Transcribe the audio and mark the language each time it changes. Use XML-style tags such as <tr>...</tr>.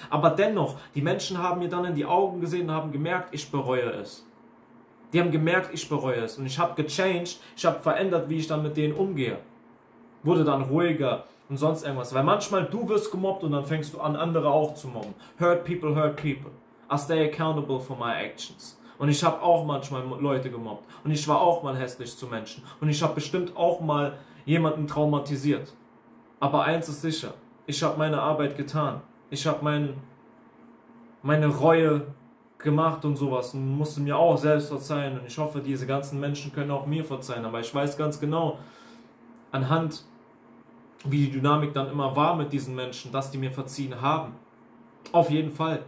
<de>Aber dennoch, die Menschen haben mir dann in die Augen gesehen und haben gemerkt, ich bereue es. Die haben gemerkt, ich bereue es. Und ich habe gechanged, ich habe verändert, wie ich dann mit denen umgehe. Wurde dann ruhiger und sonst irgendwas. Weil manchmal du wirst gemobbt und dann fängst du an, andere auch zu mobben.</de> <en>Hurt people, hurt people. I stay accountable for my actions.</en> <de>Und ich habe auch manchmal Leute gemobbt. Und ich war auch mal hässlich zu Menschen. Und ich habe bestimmt auch mal jemanden traumatisiert. Aber eins ist sicher. Ich habe meine Arbeit getan. Ich habe meine Reue gemacht und sowas und musste mir auch selbst verzeihen und ich hoffe, diese ganzen Menschen können auch mir verzeihen, aber ich weiß ganz genau anhand, wie die Dynamik dann immer war mit diesen Menschen, dass die mir verziehen haben. Auf jeden Fall.</de>